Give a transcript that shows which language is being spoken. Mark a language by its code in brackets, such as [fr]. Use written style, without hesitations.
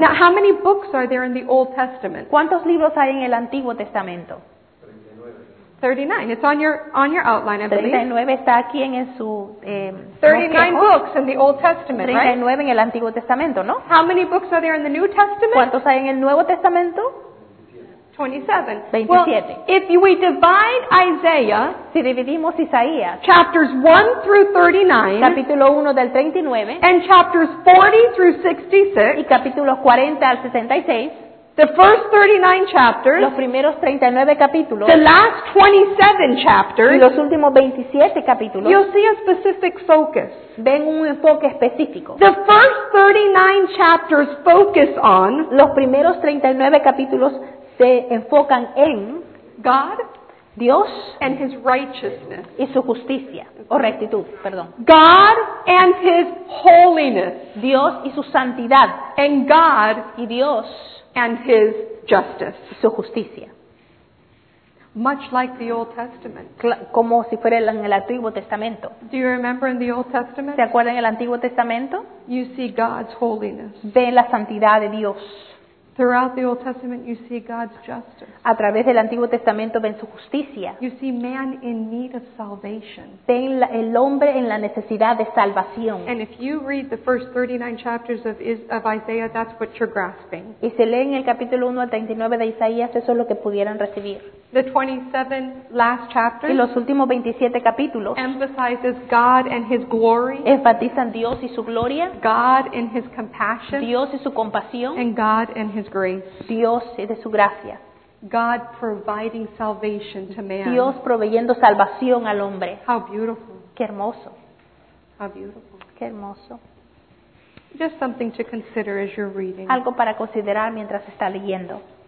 [en] Now, how many books are there in the Old Testament? [es] ¿Cuántos libros hay en el Antiguo Testamento? [en] 39. It's on your outline, I believe. [es] 39 está aquí en su [en] 39 books in the Old Testament, right? [es] 39 en el Antiguo Testamento, ¿no? [en] How many books are there in the New Testament? [es] ¿Cuántos hay en el Nuevo Testamento? [en] 27. Well, if we divide Isaiah, [es] si dividimos Isaías, [en] chapters 1 through 39, [es] capítulo 1 del 39, [en] and chapters 40 through 66, [es] y capítulos 40 al 66. [en] The first 39 chapters, [es] los primeros 39 capítulos, [en] the last 27 chapters, [es] y los últimos 27 capítulos, [en] you'll see a specific focus. [es] Ven un enfoque específico. [en] The first 39 chapters focus on, [es] los primeros 39 capítulos se enfocan en [en] God, [es] Dios, [en] and his righteousness, [es] y su justicia, o rectitud, perdón. [en] God and his holiness, [es] Dios y su santidad, [en] and God, [es] y Dios, [en] and his justice, [es] su justicia. [en] Much like the Old Testament. [es] Como si fuera en el Antiguo Testamento. [en] Do you remember in the Old Testament? [es] ¿Se acuerdan en el Antiguo Testamento? [en] You see God's holiness. [es] Ve la santidad de Dios. [en] Throughout the Old Testament you see God's justice. [es] A través del Antiguo Testamento ven su justicia. [en] You see man in need of salvation. [es] Ven el hombre en la necesidad de salvación. [en] And if you read the first 39 chapters of Isaiah, that's what you're grasping. [es] Y si leen el capítulo 1 al 39 de Isaías, eso es lo que pudieran recibir. [en] The 27 last chapters. [es] Y los últimos 27 capítulos. [en] Emphasizes God and his glory. [es] Enfatizan Dios y su gloria. [en] God and his compassion. [es] Dios y su compasión. [en] And God and his grace. [es] Dios y de su gracia. [en] God providing salvation to man. [es] Dios proveyendo salvación al hombre. [en] How beautiful. [es] Qué hermoso. [en] How beautiful. [es] Qué hermoso. [en] Just something to consider as you're reading. [es] Algo para considerar mientras está leyendo.